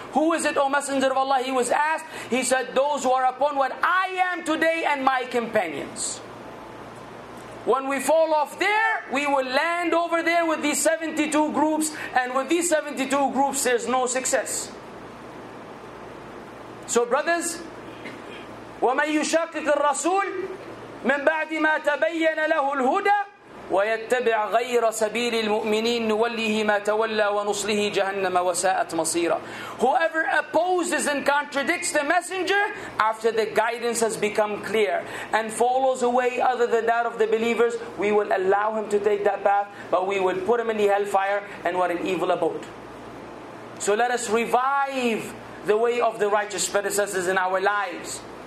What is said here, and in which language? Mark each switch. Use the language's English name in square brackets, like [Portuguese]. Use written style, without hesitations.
[English] Who is it, O Messenger of Allah? He was asked. He said, those who are upon what I am today and my companions. When we fall off there, we will land over there with these 72 groups. And with these 72 groups, there's no success. [Arabic] So brothers, وَمَنْ يُشَاقِقِ الرَّسُولِ مِنْ بَعْدِ مَا تَبَيَّنَ لَهُ الْهُدَى وَيَتَّبِعْ غَيْرَ سَبِيلِ الْمُؤْمِنِينَ نُوَلِّهِ مَا تَوَلَّى وَنُصْلِهِ جَهَنَّمَ وَسَاءَتْ مَصِيرًا. [English] Whoever opposes and contradicts the messenger after the guidance has become clear and follows a way other than that of the believers, we will allow him to take that path, but we will put him in the hellfire, and what an evil abode. So let us revive the way of the righteous predecessors in our lives.